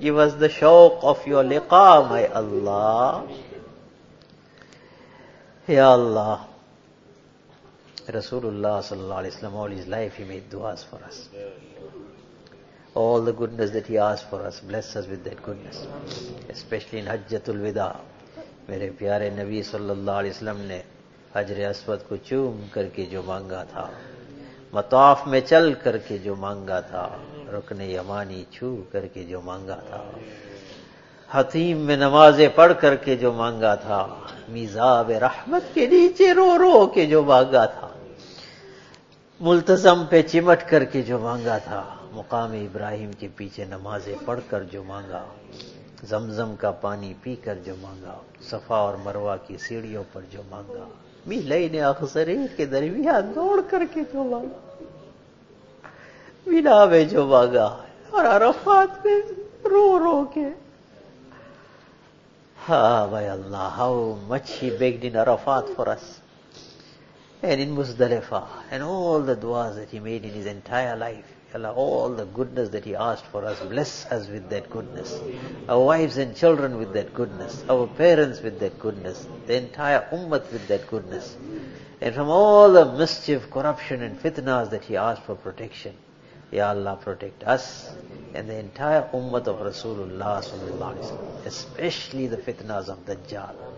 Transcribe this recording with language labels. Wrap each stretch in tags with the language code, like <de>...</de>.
<en>Give us the shauk of your liqa, my Allah. Ya Allah. Rasulullah sallallahu alayhi wa sallam, all his life he made du'as for us. All the goodness that he asked for us, bless us with that goodness. Especially in Hajjatul Wida.</en> <ur>Mere pyare Nabi sallallahu alayhi wa sallam ne حجر اسود کو چوم کر کے جو مانگا تھا مطاف میں چل کر کے جو مانگا تھا رکن یمانی چھو کر کے جو مانگا تھا حتیم میں نمازیں پڑھ کر کے جو مانگا تھا میزاب رحمت کے نیچے رو رو کے جو مانگا تھا ملتزم پہ چمٹ کر کے جو مانگا تھا مقام ابراہیم کے پیچھے نمازیں پڑھ کر جو مانگا زمزم کا پانی پی کر جو مانگا صفا اور مروہ کی سیڑھیوں پر جو مانگا می لینے اخسرے کے درمیان دوڑ کر کے جو مانگا مینا میں جو مانگا اور عرفات میں رو رو کے</ur> <en>ہاں اللہ how much he begged in Arafat for us and in Muzdalifah and all the دعاز that he made in his entire life یا Allah, all the goodness that He asked for us, bless us with that goodness. Our wives and children with that goodness. Our parents with that goodness. The entire ummah with that goodness. And from all the mischief, corruption and fitnas that He asked for protection, Ya Allah, protect us and the entire ummah of Rasulullah sallallahu alaihi wasallam, especially the fitnas of Dajjal.</en>